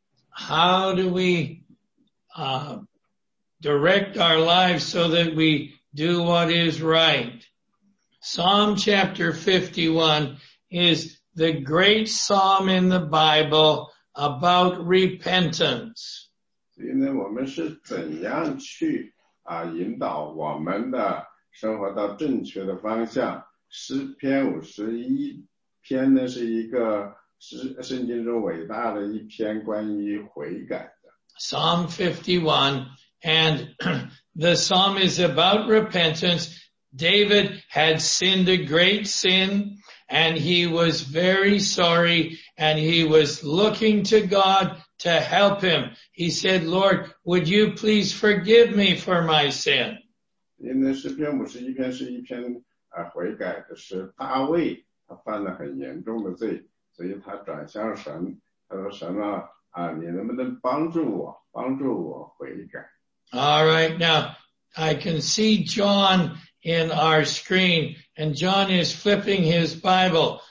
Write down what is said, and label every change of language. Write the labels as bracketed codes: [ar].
[en] How do we direct our lives so that we do what is right? Psalm chapter 51 is the great psalm in the Bible about repentance. [zh] 今天我们是怎样去引导我们的生活到正确的方向？诗篇五十一。篇呢是一个圣经中伟大的一篇关于悔改的。 [en] Psalm 51, and the psalm is about repentance. David had sinned a great sin, and he was very sorry, and he was looking to God to help him. He said, Lord, would you please forgive me for my sin? [zh] 因为诗篇五十一篇是一篇悔改的诗，大卫。他犯了很严重的罪，所以他转向神，他说神啊，你能不能帮助我，帮助我悔改。 [en] All right, now, I can see John in our screen, and John is flipping his Bible.